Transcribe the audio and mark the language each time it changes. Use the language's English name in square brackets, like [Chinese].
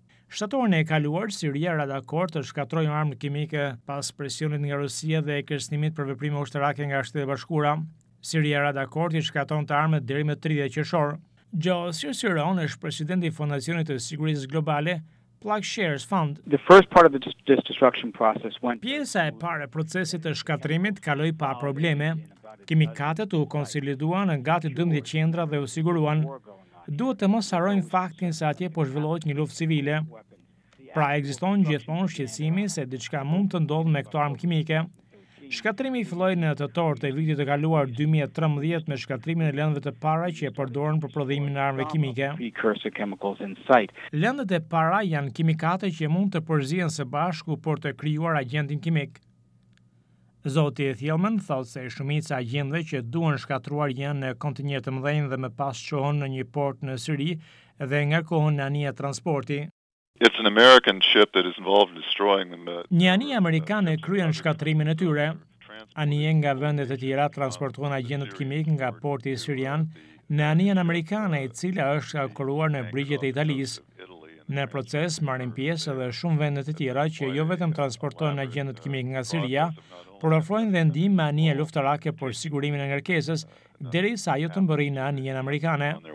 [Albanian] Shtatorin e kaluar, Siria ra dakord të shkatrojë armë kimike pas presionit nga Rusia dhe kërcënimit për veprime ushtarake nga Shtetet e Bashkuara. Siria ra dakord të shkatonte armët deri më 30 qershor. Joe Cicerone është presidenti i Fondacionit të Sigurisë Globale. [English] Plugshares Fund. The first part of the destruction process went. [Albanian] Pjesa e parë e procesit të shkatrimit kaloi pa probleme. Kimikatet u konsoliduan në gati 12 qendra dhe u siguruan. Duhet të mos harrojmë faktin se atje po zhvillohet një luftë civile. Pra ekziston gjithmonë shqetësimi se diçka mund të ndodhë me këto armë kimike. Shkatrimi filloi në tetor të vitit të kaluar 2013 me shkatrimin e lëndëve të para që e përdorën për prodhimin e armëve kimike. Lëndët e para janë kimikate që mund të përzihen së bashku për të krijuar agentin kimik. Zoti Thielman thotë se shumica agentëve që duan shkatruar janë në kontenier të mëdhenj dhe më pas çohen në një port në Siri dhe ngarkohen në anije transporti. [English] It's an American ship that is involved in destroying them. [Albanian] Një anije amerikane kryen shkatrimin e tyre. Anije nga vendet e tjera transportuan agjendët kimik nga porti Sirian në anijen amerikane e cila është kuruar në brigjet e Italisë. Në proces marrin pjesë edhe shumë vendet e tjera që jo vetëm transportojnë agjendët kimik nga Siria, por ofrojnë dhe ndihmë anije luftarake për sigurimin e ngarkesës derisa ajo të mbërrijë në anijen amerikane.